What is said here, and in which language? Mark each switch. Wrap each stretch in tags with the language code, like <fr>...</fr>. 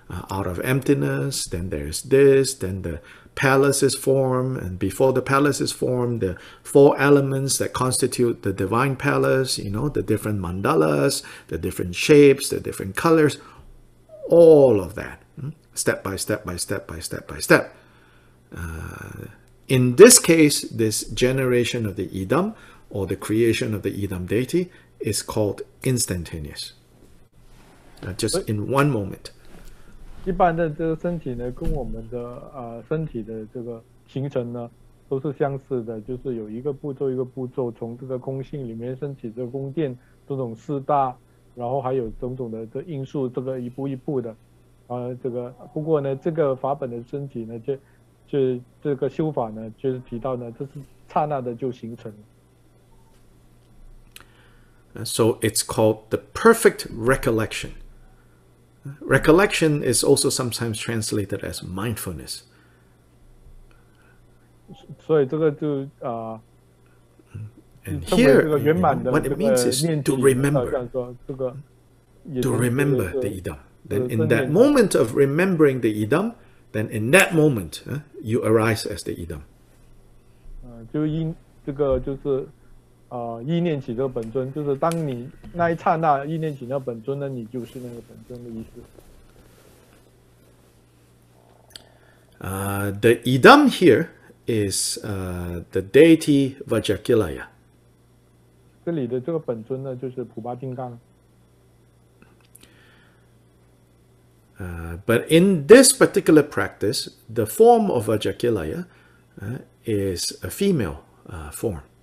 <en>Out of emptiness, then there's this, then the palace is formed, and before the palace is formed, the four elements that constitute the divine palace, you know, the different mandalas, the different shapes, the different colors, all of that, step by step by step by step by step. In this case, this generation of the Idam,or the creation of the Idam deity is called instantaneous. Just in one moment.</en> <zh>一般的这个身体呢，跟我们的身体的这个形成呢，都是相似的，就是有一个步骤一个步骤，从这个空性里面升起这个宫殿，这种四大，然后还有种种的这因素，这个一步一步的，这个不过呢，这个法本的身体呢，就这个修法呢，就是提到呢，这是刹那的就形成。</zh> <en>So it's called the perfect recollection. Recollection is also sometimes translated as mindfulness. So this is to and here, you know, what it means is to remember. To remember the Idam. Then in that moment of remembering the Idam, then in that moment, you arise as the Idam.</en> <zh>就因这个就是。意念起这个本尊，就是当你那一刹那意念起那本尊呢，你就是那个本尊的意思。</zh> <en>The Idam here is the deity Vajrakilaya.</en> <zh>这里的这个本尊呢，就是普巴金刚。</zh> <en>But in this particular practice, the form of Vajrakilaya is a female form.</en>